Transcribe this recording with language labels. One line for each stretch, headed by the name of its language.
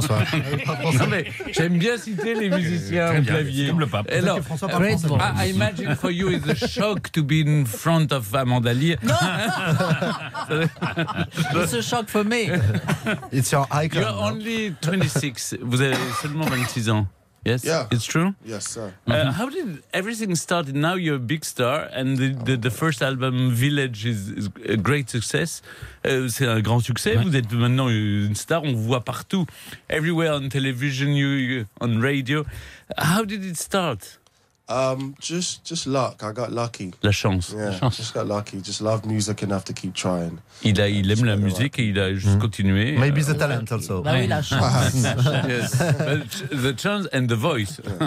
French: Non, mais j'aime bien citer les musiciens au clavier. Comme le pape.
English: Alors, I imagine for you it's a shock to be in front of Amanda Lear.
French: Non.
English: It's a shock for me. It's your icon. You're only 26.
French: Vous avez seulement 26 ans.
English: Yes, yeah. It's true. Yes, sir. How did everything start? Now you're a big star, and the first album Village is a great success.
French: C'est un grand succès. Ouais. Vous êtes maintenant une star. On vous voit partout,
English: everywhere on television, you on radio. How did it start? Just luck. I got lucky.
French: La chance.
English: Yeah,
French: la chance.
English: Just got lucky. Just love music enough to keep trying.
French: Il aime la musique et il a juste continué.
English: Maybe the talent also.
French: Bah oui, la chance.
English: Yes. The chance and the voice.